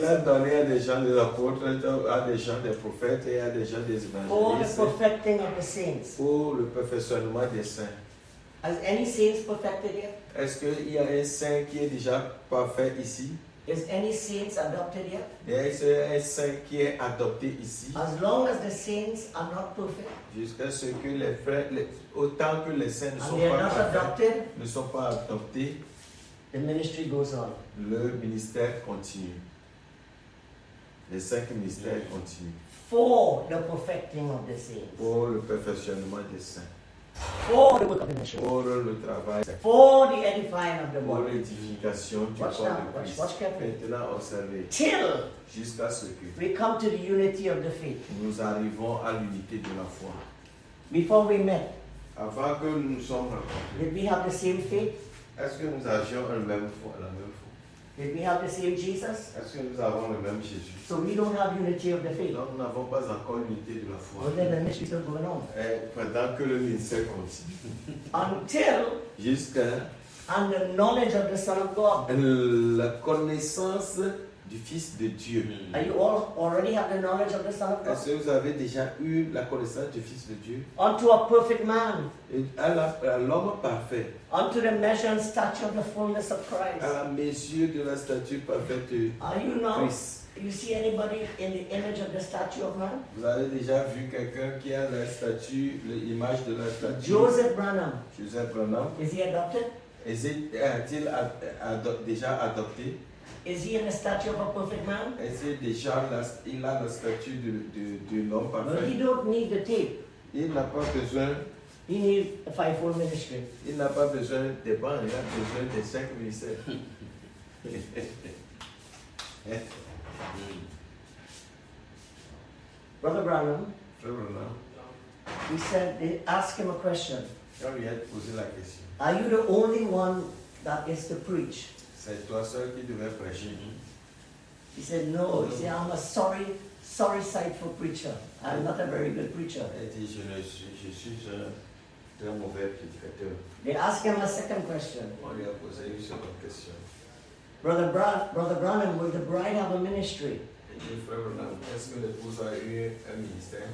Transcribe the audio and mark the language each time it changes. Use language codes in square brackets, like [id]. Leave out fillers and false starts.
[fr] Il a donné à des gens des apôtres, à des gens des prophètes et à des gens des évangélistes. [en] For the perfecting of the saints. [fr] Pour le perfectionnement des saints. [en] Has any saints perfected yet? [fr] Est-ce qu'il y a un saint qui est déjà parfait ici? [en] Is any saints adopted yet? [fr] Yes, saint qui est adopté ici. [en] As long as the saints are not perfect. [fr] Jusqu'à ce que les frères, autant que les saints ne sont pas adoptés, [en] the ministry goes on. [fr] Le ministère continue. Les cinq ministères continuent. [en] For the perfecting of the saints. [fr] Pour le perfectionnement des saints. [en] for the work of the mission. [fr] Pour le travail. [en] For the edifying of the body. [fr] Pour l'édification du corps de Christ. [en] Watch carefully. [fr] Maintenant, observez. [en] Till. [fr] Jusqu'à ce que. [en] We come to the unity of the faith. [fr] Nous arrivons à l'unité de la foi. [en] Before we met. [fr] Avant que nous nous sommes rencontrés. [en] Did we have the same faith? [fr] Est-ce que nous avions la même foi? [en] Did we have the same Jesus? [fr] Est-ce que nous avons le même Jésus? [en] So we don't have unity of the faith. [fr] Donc, nous n'avons pas encore l'unité de la foi. [en] But then the ministry is still going on. [fr] Et pendant que le ministère continue. [en] Until. [fr] Jusqu'à. [en] And the knowledge of the Son of God. [fr] La connaissance du Fils de Dieu. [en] Are you all already have the knowledge of the Son of God? [fr] Est-ce que vous avez déjà eu la connaissance du Fils de Dieu? [en] Unto a perfect man. [fr] À l'homme parfait. [en] Unto the measure and stature of the fullness of Christ. [fr] À la mesure de la stature parfaite de Christ. [en] Are you not? You see anybody in the image of the statue of man? [fr] Vous avez déjà vu quelqu'un qui a la statue, l'image de la statue? [en] Joseph Branham. [fr] Joseph Branham. [en] Is he adopted? [fr] A-t-il déjà adopté? [en] Is he in the statue of a perfect man? [fr] Est-ce déjà il a la statue de l'homme parfait? [en] But he don't need the tape. [fr] Il n'a pas besoin. [en] He needs a fivefold ministry. [fr] Il n'a pas besoin des bancs. Il a besoin des cinq ministères. [en] Brother Branham. Brother Branham. He said, they ask him a question. [fr] Quand il a posé la question. [en] Are you the only one that is to preach? [fr] C'est toi seul qui devais prêcher. [en] He said, no. He said, I'm a sorry sight for preacher. I'm not a very good preacher. [fr] Il dit, je suis un très mauvais prédicateur. [en] They asked him a second question. [fr] On lui a posé une seconde question. [en] Brother Branham, will the bride have a ministry? [fr] Il dit, frère Branham, est-ce que l'épouse a eu un ministère?